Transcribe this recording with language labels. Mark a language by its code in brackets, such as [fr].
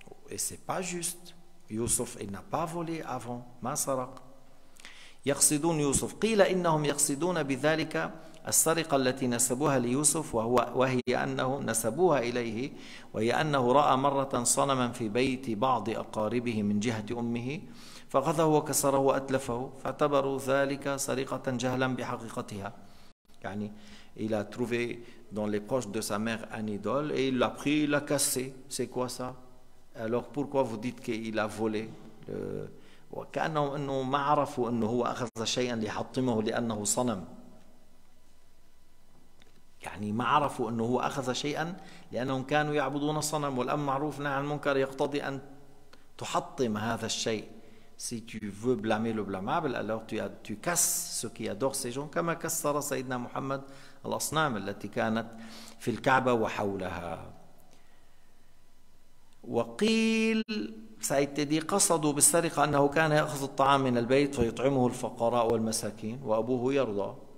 [fr] Et c'est pas juste. يوسف il n'a pas volé avant. [ar] ما سرق. يقصدون يوسف. قيل انهم يقصدون بذلك السرقة التي نسبوها ليوسف وهي أنه نسبوها إليه وهي أنه رأى مرة صنما في بيت بعض أقاربه من جهة أمه فغضه وكسره وأتلفه فاعتبروا ذلك سرقة جهلا بحقيقتها. [fr] يعني il a trouvé dans les poches de sa mère un idole et il l'a pris, il l'a cassé. C'est quoi ça? Alors pourquoi vous dites qu'il a volé? [ar] وكأنه أنه ما عرفوا أنه هو أخذ شيئا ليحطمه لأنه صنم. يعني ما عرفوا أنه هو أخذ شيئا لأنهم كانوا يعبدون صنم والأمر معروف نهى عن المنكر يقتضي أن تحطم هذا الشيء. [fr] Si tu veux blâmer le blâmable, alors tu casses ce qui adore ces gens, [ar] كما كسر سيدنا محمد الأصنام التي كانت في الكعبة وحولها. وقيل سيتدي قصدوا بالسرقة أنه كان يأخذ الطعام من البيت ويطعمه الفقراء والمساكين وأبوه يرضى.